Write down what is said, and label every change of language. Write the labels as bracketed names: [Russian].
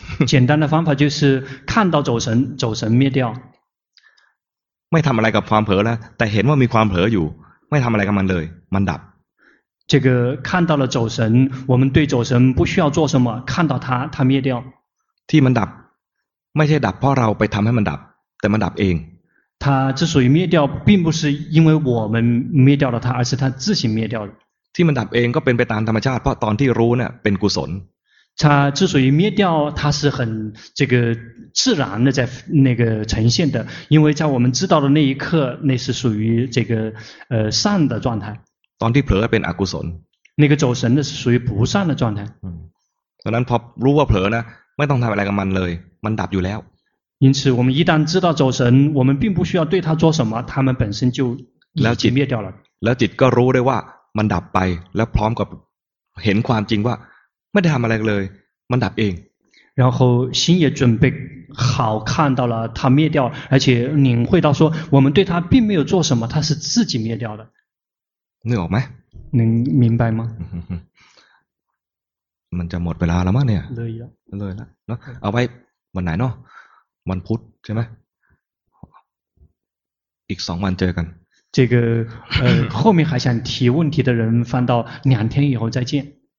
[Chinese] 简单的方法就是看到走神走神灭掉 [Thai] ไม่ทำอะไรกับความเผลอแล้วแต่เห็นว่ามีความเผลออยู่ไม่ทำอะไรกับมันเลยมันดับ [Chinese] 这个看到了走神我们对走神不需要做什么看到它它灭掉 [Thai] ที่มันดับไม่ใช่ดับเพราะเราไปทำให้มันดับแต่มันดับเอง [Chinese] 它之所以灭掉并不是因为我们灭掉了它而是它自行灭掉 [Thai] ที่มันดับเองก็เป็นไปตามธรรมชาติเพราะตอนที่รู้เนี่ยเป็นกุศล [Chinese] 它之所以灭掉它是很这个自然的在那个呈现的因为在我们知道的那一刻那是属于这个善的状态 [Thai] ตอนที่เผลอเป็นอกุศล [Chinese] 那个走神的是属于不善的状态 [Thai] ดังนั้นพอรู้ว่าเผลอนะไม่ต้องทำอะไรกับมันเลยมันดับอยู่แล้ว [Chinese] 因此我们一旦知道走神我们并不需要对它做什么它们本身就已经灭掉了 [Thai] แล้วจิตก็รู้ได้ว่ามันดับไปแล้วพร้อมกับเห็นความจริงว่าไม่ได้ทำอะไรเลยมันดับเอง [Chinese] 然后心也准备好看到了它灭掉而且领会到说我们对它并没有做什么它是自己灭掉的 [Thai] นึกออกไหม [Chinese] 能明白吗 [Thai] มันจะหมดเวลาแล้วมั้งเนี่ย เลยแล้ว เลยแล้วเนาะเอาไว้วันไหนเนาะวันพุธใช่ไหมอีก2วันเจอกัน [Chinese] 这个后面还想提问题的人放到两天以后再见